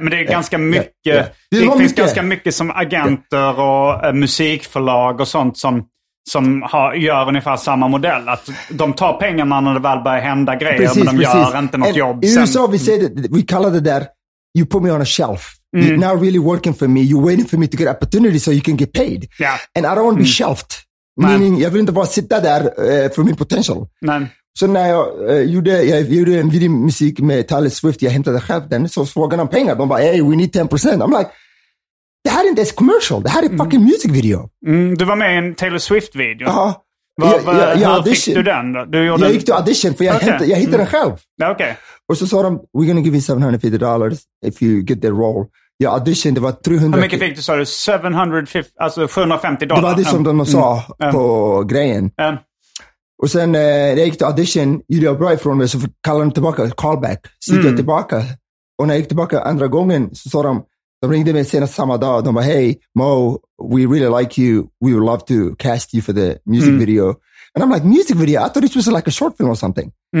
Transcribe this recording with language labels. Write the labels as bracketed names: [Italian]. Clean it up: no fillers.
[Swedish] Men det är ganska mycket. Det finns mycket. Ganska mycket som agenter och musikförlag och sånt som gör ungefär samma modell. Att de tar pengarna när det väl börjar hända grejer, precis, gör inte något jobb. I USA, vi kallar det där, [English] you put me on a shelf. You're not really working for me. You're waiting for me to get opportunity so you can get paid. Yeah. And I don't want to be shelved. [Swedish] Meaning, jag vill inte bara sitta där för min potential. Men. Så när jag gjorde en videomusik med Taylor Swift, jag hämtade själv den, så frågade de pengar. De bara, [English] hey, we need 10%. I'm like, [Swedish] det här är inte ens commercial. Det här är fucking music video. Du var med i en Taylor Swift-video. Ja. Hur fick du den då? Jag gick till audition, för jag, jag hittade den själv. Okej. Och så sa de, [English] we're gonna give you $750 if you get the role. [Swedish] Jag auditioned, det var 300... Hur mycket fick du, sa du? $750 Det var det som de sa på grejen. Och sen när jag gick till audition, gjorde jag bra ifrån mig, så kallade de tillbaka, callback. Så gick jag tillbaka. Och när jag gick tillbaka andra gången, så sa de, de ringde mig senast samma dag. De var, [English] hey, Mo, we really like you. We would love to cast you for the music video. And I'm like, music video? I thought it was like a short film or something.